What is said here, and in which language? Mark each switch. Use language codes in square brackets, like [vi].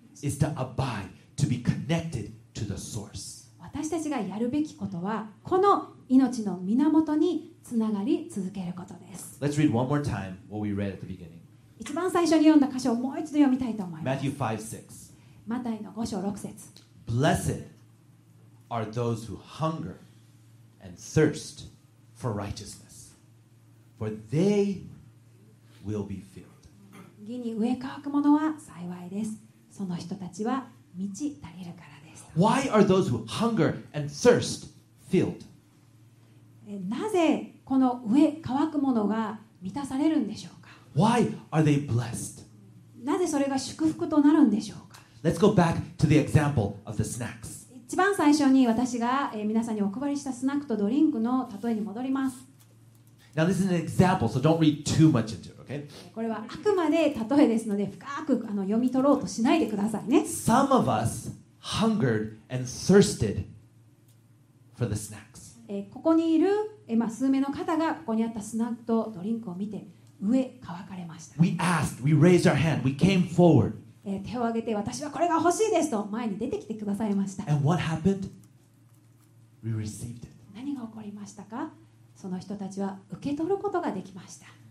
[en] is to abide, to be connected to the source. [ja] 私たちがやるべきことはこの命の源につながり続けることです。 [en] Let's read one more time what we read at the beginning. [ja] 一番最初に読んだ箇所をもう一度読みたいと思います。 [en] Matthew 5:6. [ja] マタイの5章6節。 [en] Blessed are those who hunger and thirst for righteousness, for they will be filled. [ja] 義に飢え渇く者は幸いです。その人たちは満ち足りるからです。 [en] Why are those who hunger and thirst filled? [ja] なぜこの飢え渇くものが満たされるんでしょうか? [en] Why are they blessed? [ja] なぜそれが祝福となるんでしょうか? [en] Let's go back to the example of the snacks. [ja] 一番最初に私が皆さんにお配りしたスナックとドリンクの例えに戻ります。 [en] Now this is an example, so don't read too much into it, okay? [ja] これはあくまで例えですので深く読み取ろうとしないでくださいね。 [en] Some of us hungered and thirsted for the snacks. [ja] ここにいる数名の方がここにあったスナックとドリンクを見て飢え渇かれました。 [en] We asked, we raised our hand, we came forward. [ja] 手を挙げて私はこれが欲しいですと前に出てきてくださいました。 [en] And what happened? We received it. [ja] 何が起こりましたか? その人たちは受け取ることができました。